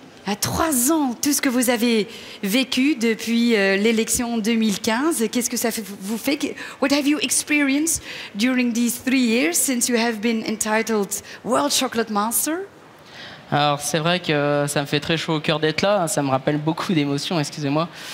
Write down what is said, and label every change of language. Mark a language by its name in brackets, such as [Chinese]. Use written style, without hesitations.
[French] À 3 ans, tout ce que vous avez vécu depuis l'élection 2015, qu'est-ce que ça vous fait? [English] What have you experienced during these 3 years since you have been entitled World Chocolate Master? [French] Alors c'est vrai que ça me fait très chaud au cœur d'être là, ça me rappelle beaucoup d'émotions, excusez-moi.